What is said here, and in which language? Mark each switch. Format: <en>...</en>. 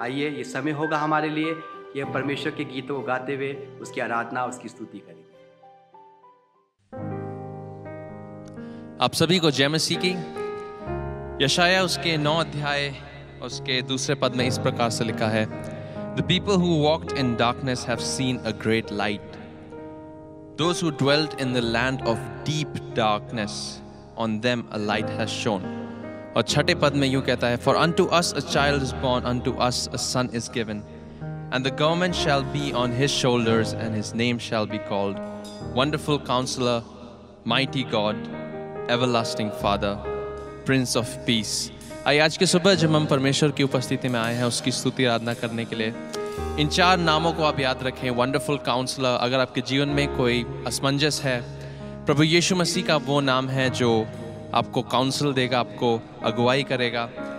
<hi>आइए ये समय होगा हमारे लिए कि हम परमेश्वर के गीतों को गाते हुए उसकी आराधना उसकी स्तुति करेंगे। आप सभी को जय मसीह की। यशाया उसके 9 अध्याय उसके दूसरे पद में इस प्रकार से लिखा है,</hi> <en>The people who walked in darkness have seen a great light. Those who dwelt in the land of deep darkness, on them a light has shone.</en> <hi>और छठे पद में यूं कहता है,</hi> <en>For unto us a child is born, unto us a son is given. And the government shall be on his shoulders, and his name shall be called Wonderful Counselor, Mighty God, Everlasting Father, Prince of Peace.</en> <hi>आज की सुबह जब हम परमेश्वर की उपस्थिति में आए हैं उसकी स्तुति आराधना करने के लिए, इन चार नामों को आप याद रखें। वंडरफुल काउंसलर, अगर आपके जीवन में कोई असमंजस है, प्रभु यीशु मसीह का वो नाम है जो आपको काउंसल देगा, आपको अगुवाई करेगा।</hi>